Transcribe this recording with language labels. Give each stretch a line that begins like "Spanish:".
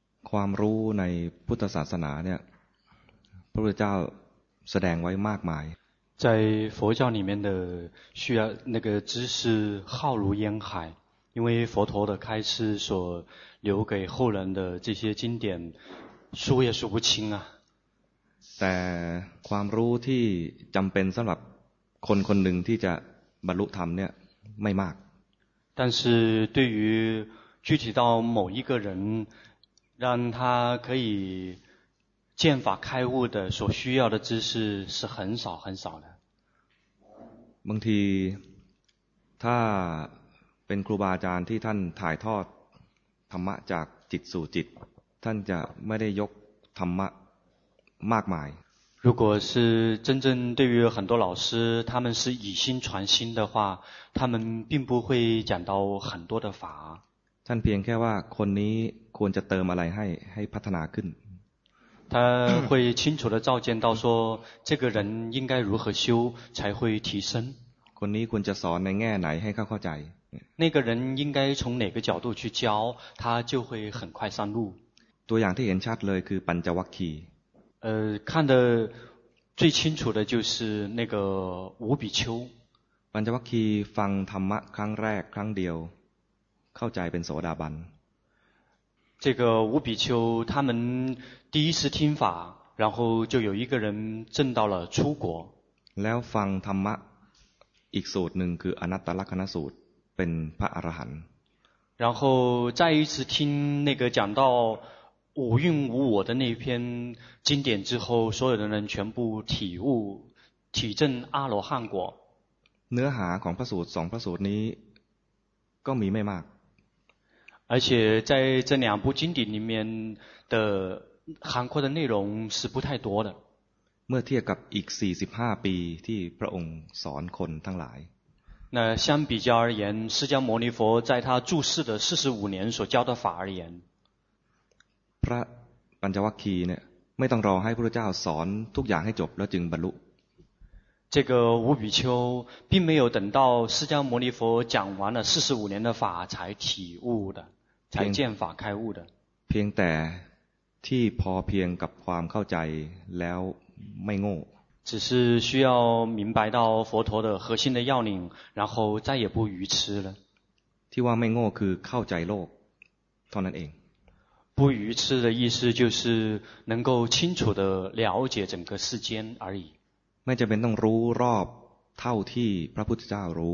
Thai: ความรู้ในพุทธศาสนาเนี่ยพระพุทธเจ้าแสดงไว้มากมาย
Chinese: 在佛教里面的需要那个知识浩如烟海，因为佛陀的开示所留给后人的这些经典，数也数不清啊。
Thai: แต่ความรู้ที่จำเป็นสำหรับคนคนหนึ่งที่จะบรรลุธรรมเนี่ยไม่มาก
Chinese: 但是对于具体到某一个人，让他可以见法开悟的所需要的知识是很少很少的。
Thai: บางทีถ้าเป็นครูบาอาจารย์ที่ท่านถ่ายทอดธรรมะจากจิตสู่จิตท่านจะไม่ได้ยกธรรมะมากมาย
Chinese: 如果是真正对于很多老师他们是以心传心的话他们并不会讲到很多的法
Thai: ท่านเพียงแค่ว่าคนนี้ควรจะเติมอะไรให้พัฒนาขึ้น
Chinese: 他会清楚地照见到说这个人应该如何修才会提升
Thai: คนนี้ควรจะสอนในแง่ไหนให้เข้าใจ
Chinese: 那个人应该从哪个角度去教他就会很快上路
Thai: ตัวอย่างที่เห็นชัดเลยคือปัญจวัคคีย์
Chinese: 看得最清楚的就是那个五比丘
Thai: ปัญจวัคคีย์ฟังธรรมะครั้งแรกครั้งเดียวเข้าใจเป็นโสดาบัน
Chinese: 这个五比丘他们第一次听法然后就有一个人证到了出果
Thai: แล้วฟังธรรมะอีกสูตรหนึ่งคืออนัตตลักขณสูตรเป็นพระอรหันต์
Chinese: 然后再一次听那个讲到五蕴无我的那篇经典之后所有的人全部体悟体证阿罗汉果
Thai: เนื้อหาของพระสูตรสองพระสูตรนี้ก็มีไม่มาก
Chinese: 而且在这两部经典里面的涵括的内容是不太多的
Thai: เมื่อเทียบกับอีก45ปีที่พระองค์สอนคนทั้งหลาย
Chinese: 那相比较而言释迦牟尼佛在他住世的45年所教的法而言
Thai: พระปัญจวัคคีย์เนี่ยไม่ต้องรอให้พระเจ้าสอนทุกอย่างให้จบแล้วจึงบรรลุ
Chinese: 这个五比丘并没有等到释迦牟尼佛讲完了45年的法才体悟的才见法开悟的
Thai: เพียงแต่ที่พอเพียงกับความเข้าใจแล้วไม่โง่
Chinese: 只是需要明白到佛陀的核心的要领然后再也不愚痴了
Thai: ที่ว่าไม่โง่คือเข้าใจโลกเท่านั้นเอง
Chinese: 不愚痴的意思就是能够清楚地了解整个世间而已
Thai: ไม่จำเป็นต้องรู้รอบเท่าที่พระพุทธเจ้ารู